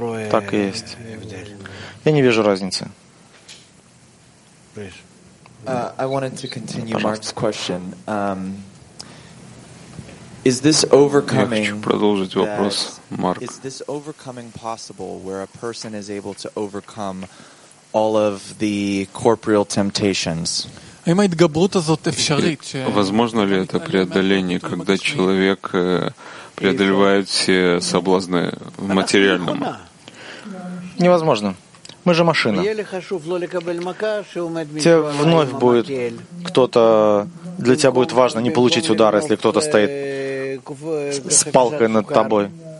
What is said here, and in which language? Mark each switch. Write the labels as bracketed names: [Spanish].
[Russian] Так и есть. Я не вижу разницы. Пожалуйста. [English] Is this overcoming? [Russian] Я хочу продолжить вопрос, Марк. [English] Is this overcoming possible, where a person is able to overcome all of the corporeal temptations? [Russian] Возможно ли это преодоление, когда человек преодолевает все соблазны в материальном? Невозможно. Мы же машина. Тебе вновь будет кто-то, для тебя будет важно не получить удар, если кто-то стоит с палкой над тобой.